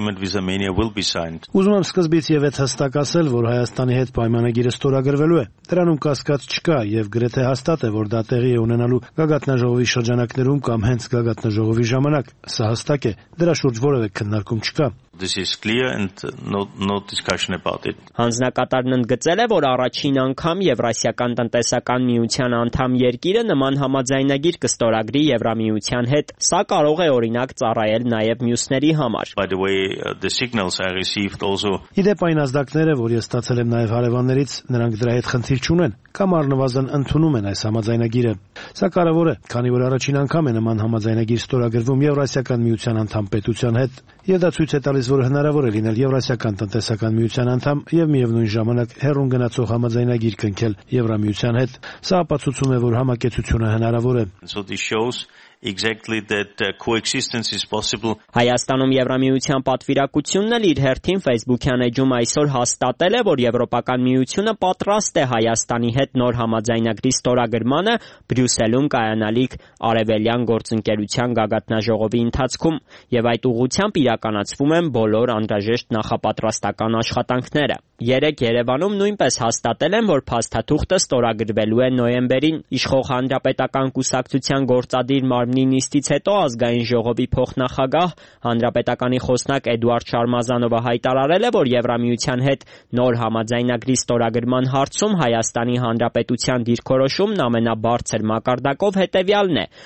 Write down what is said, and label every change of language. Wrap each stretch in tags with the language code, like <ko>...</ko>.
<hy>Ուզում եմ սկզբից ևեթ հստակ ասել, որ Հայաստանի հետ պայմանագիրը ստորագրվելու է։ Դրանում կասկած չկա և գրեթե հաստատ է, որ դա տեղի է ունենալու գագաթնաժողովի շրջանակներում կամ հենց գագաթնաժողովի ժամանակ։ Սա հստակ է, դրա շուրջ որևէ քննարկում չկա։</hy> <en>This is clear and no discussion about it.</en> <hy>Հանձնակատարն ընդգծել է, որ առաջին անգամ Եվրասիական տնտեսական միության անդամ երկիրը նման համաձայնագիր կստորագրի Եվրամիության հետ։ Սա կարող է օրինակ ծառայել նաև մյուսների համար։</hy> <en>By the way, the signals I received also.</en> <hy>Իդեպ այն ազդակները, որ ես ստացել եմ նաև հարևաններից, նրանք դրա հետ խնդիր չունեն կամ առնվազն ընդունում են այս համաձայնագիրը։ Սա կարևոր է, քանի որ առաջին անգամ է նման համաձայնագիր ստորագրվում Եվրասիական միության անդամ պետության հետ։ Եվ դա ցույց է տալիս, որ հնարավոր է լինել Եվրասիական տնտեսական միության անդամ և միևնույն ժամանակ հեռուն գնացող համաձայնագիր կնքել Եվրամիության հետ։ Սա ապացուցում է, որ համակեցությունը հնարավոր է։</hy> <en>Exactly that coexistence is possible.</en> <hy>Հայաստանում Եվրամիության պատվիրակությունն իր հերթին Facebook-յան էջում այսօր հաստատել է, որ Եվրոպական միությունը պատրաստ է Հայաստանի հետ նոր համաձայնագրի ստորագրմանը Բրյուսելում կայանալիք Արևելյան գործընկերության գագաթնաժողովի ընթացքում, եւ այդ ուղղությամբ իրականացվում են բոլոր անդրաժեշտ նախապատրաստական աշխատանքները։ Երեք Երևանում նույնպես հաստատել են, որ փաստաթուղթը ստորագրվելու է նոյեմբերին։ Իշխող հանրապետական կուսակցության գործադիր Մարմնի նիստից հետո ազգային ժողովի փոխնախագահ հանրապետականի խոսնակ Էդուարդ Շարմազանովը հայտարարել է, որ Եվրամիության հետ նոր համաձայնագրի ստորագրման հարցում Հայաստանի հանրապետության դիրքորոշումն ամենաբարձր մակարդակով հետևյալն է.</hy>